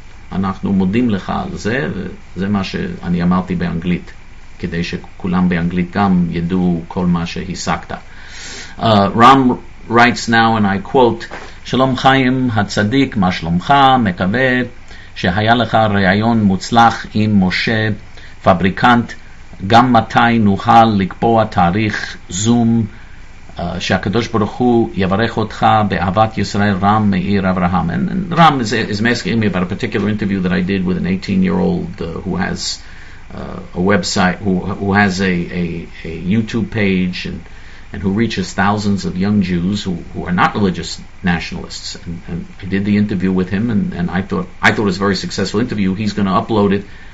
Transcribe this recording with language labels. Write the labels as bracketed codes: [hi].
[he] ואנחנו מודים לך על זה, וזה מה שאני אמרתי באנגלית, כדי שכולם באנגלית גם ידעו כל מה שהשגת. [en] Ram writes now, and I quote, "Shalom Chaim HaTzadik, [he] מה שלומך? מקווה שהיה לך רעיון מוצלח עם משה פבריקנט, גם מתי נוכל לקבוע תאריך זום, שהקדוש ברוך הוא יברך אותך באהבת ישראל, רם מאיר אברהם." [en] And Ram is asking me about a particular interview that I did with an 18-year-old who has a website, who has a YouTube page, and who reaches thousands of young Jews who are not religious nationalists. And I did the interview with him, and I thought it was a very successful interview. He's going to upload it.